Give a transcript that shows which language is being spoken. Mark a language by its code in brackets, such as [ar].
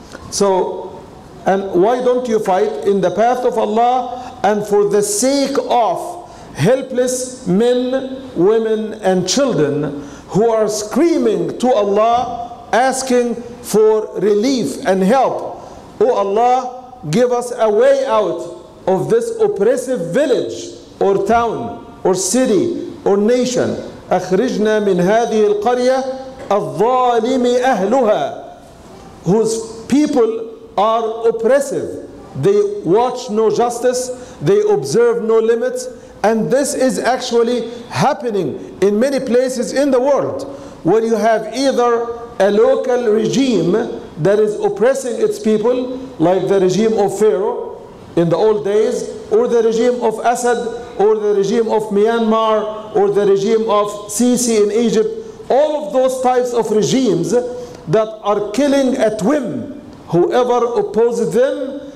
[en] So, and why don't you fight in the path of Allah and for the sake of helpless men, women, and children who are screaming to Allah, asking for relief and help? Oh Allah, give us a way out of this oppressive village or town or city or nation. [ar] أخرجنا من هذه القرية الظالم أهلها, [en] whose people are oppressive. They watch no justice, they observe no limits, and this is actually happening in many places in the world, where you have either a local regime that is oppressing its people, like the regime of Pharaoh in the old days, or the regime of Assad, or the regime of Myanmar, or the regime of Sisi in Egypt, all of those types of regimes that are killing at whim whoever opposes them.